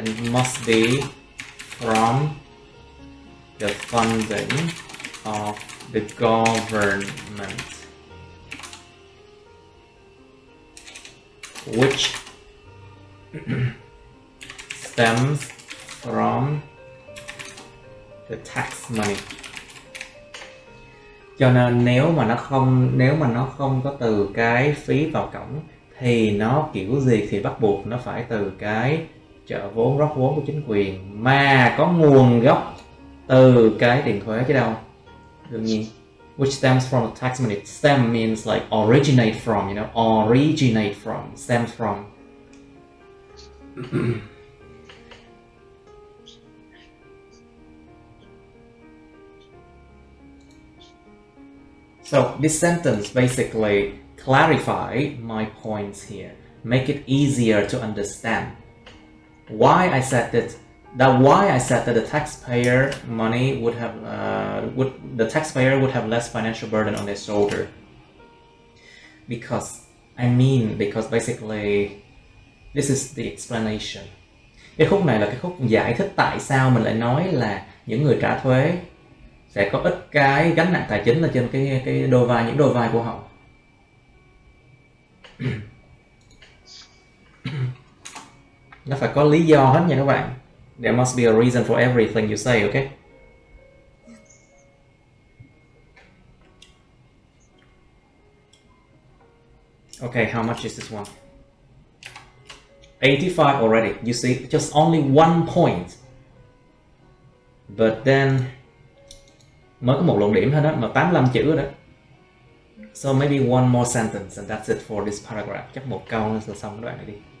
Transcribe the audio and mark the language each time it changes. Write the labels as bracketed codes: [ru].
[en] must be from the funding of the government, which stems from the tax money. [vi] Cho nên nếu mà nó không có từ cái phí vào cổng thì nó kiểu gì thì bắt buộc nó phải từ cái trợ vốn, rót vốn của chính quyền mà có nguồn gốc từ cái tiền thuế chứ đâu. đương nhiên. [en] Which stems from a text minute. Stem means like originate from, you know, originate from, stem from. So this sentence basically clarify my points here, make it easier to understand why I said that. That why I said that the taxpayer money would have the taxpayer would have less financial burden on their shoulder. Because I mean, because basically this is the explanation. [vi] Cái khúc này là cái khúc giải thích tại sao mình lại nói là những người trả thuế sẽ có ít cái gánh nặng tài chính là trên cái đôi vai, những đôi vai của họ. Nó phải có lý do hết nha các bạn. [en] There must be a reason for everything you say, okay? Okay, how much is this one? 85 already. You see, just only one point. But then, [vi] mới có một luận điểm thôi đó, mà 85 chữ đó. [en] So maybe one more sentence and that's it for this paragraph. [vi] Chắc một câu nữa là xong đoạn này đi.